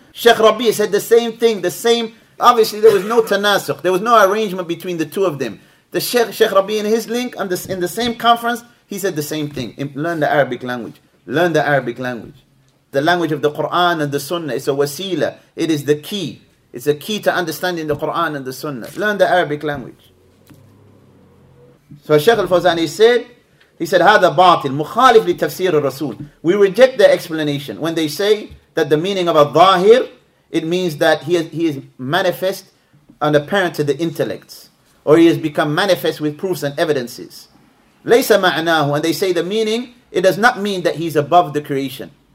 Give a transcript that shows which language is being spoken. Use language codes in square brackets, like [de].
[en] Sheikh Rabi said the same thing, the same. Obviously, there was no tanasuk, there was no arrangement between the two of them. The Sheikh Rabi in his link, in the same conference, he said the same thing. Learn the Arabic language. Learn the Arabic language. The language of the Quran and the Sunnah. It's a wasila. It is the key. It's a key to understanding the Quran and the Sunnah. Learn the Arabic language. So Sheikh Al-Fawzani said, [ar] هذا باطل مخالف لتفسير الرسول. [en] We reject the explanation when they say that the meaning of al-dhahir, it means that he is manifest and apparent to the intellects, or he has become manifest with proofs and evidences. [ar] ليس معناه, [en] and they say the meaning, it does not mean that he's above the creation.